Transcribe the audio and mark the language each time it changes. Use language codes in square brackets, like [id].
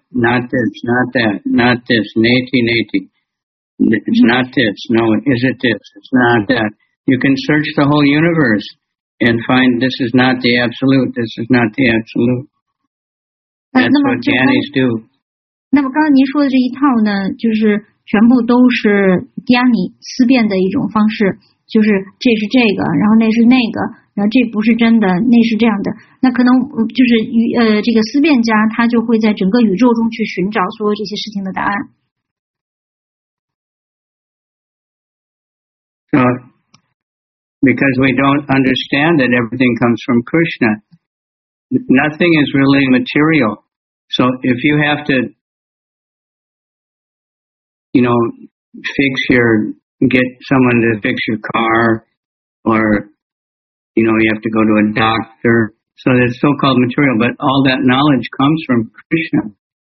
[en] Not this, not that, not this. Neti, neti. It's not this. No, is it this? It's not that. You can search the whole universe and find this is not the absolute. This is not the absolute. That's what ganis do. [zh] 那么刚刚您说的这一套呢，就是全部都是迪亚尼思辨的一种方式，就是这是这个，然后那是那个，然后这不是真的，那是这样的。那可能就是这个思辨家，他就会在整个宇宙中去寻找所有这些事情的答案。 [en] So, because we don't understand that everything comes from Krishna, nothing is really material. So if you have to, you know, fix your, get someone to fix your car, or, you know, you have to go to a doctor, so it's so-called material, but all that knowledge comes from Krishna.